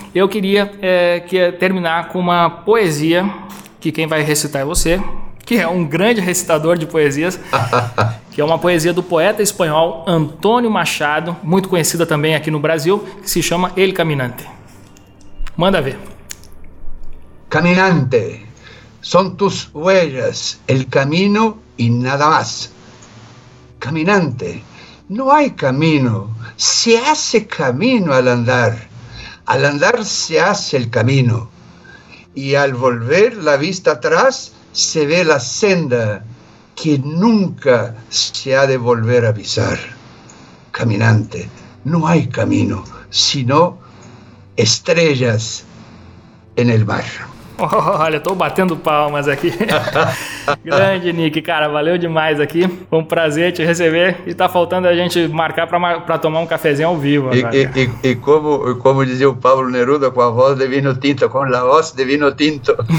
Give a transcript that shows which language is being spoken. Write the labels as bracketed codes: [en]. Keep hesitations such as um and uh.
[pt] Eu queria que, terminar com uma poesia que quem vai recitar é você, que é um grande recitador de poesias, que é uma poesia do poeta espanhol Antônio Machado, muito conhecida também aqui no Brasil, que se chama El Caminante. Manda ver. [es] Caminante, son tus huellas, el camino y nada más. Caminante, no hay camino, se hace camino al andar. Al andar se hace el camino. Y al volver la vista atrás, se ve la senda que nunca se ha de volver a pisar. Caminante, no hay camino, sino estrellas en el mar. [pt] Olha, estou batendo palmas aqui. Grande Nick, cara, valeu demais aqui. Foi um prazer te receber. E tá faltando a gente marcar para tomar um cafezinho ao vivo. E, e, e, e, como, como dizia o Pablo Neruda, com a voz de vinho tinto, com a voz de vinho tinto.